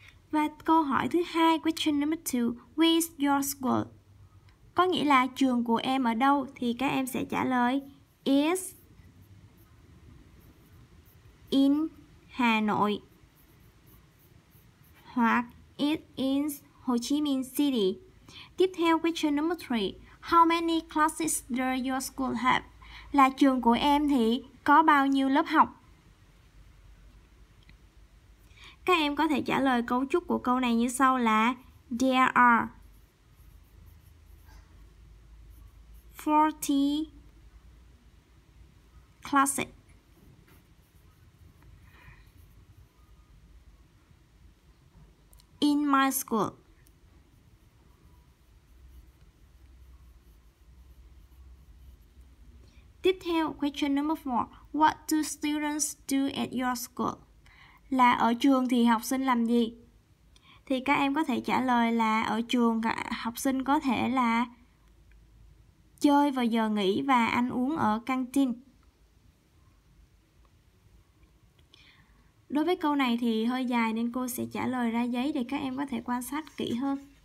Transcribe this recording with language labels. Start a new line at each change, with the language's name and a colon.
Vietnamese: Và câu hỏi thứ hai,
English: question number 2, where is your school?
Vietnamese: Có nghĩa là trường của em ở đâu thì các em sẽ trả lời
English: is in Hà Nội
Vietnamese: hoặc
English: it is Ho Chi Minh City.
Vietnamese: Tiếp theo,
English: question number 3, how many classes does your school have?
Vietnamese: Là trường của em thì có bao nhiêu lớp học? Các em có thể trả lời cấu trúc của câu này như sau là
English: there are 40 classes. In my school,
Vietnamese: tiếp theo,
English: question number 4, what do students do at your school?
Vietnamese: Là ở trường thì học sinh làm gì? Thì các em có thể trả lời là ở trường học sinh có thể là chơi vào giờ nghỉ và ăn uống ở canteen. Đối với câu này thì hơi dài nên cô sẽ trả lời ra giấy để các em có thể quan sát kỹ hơn.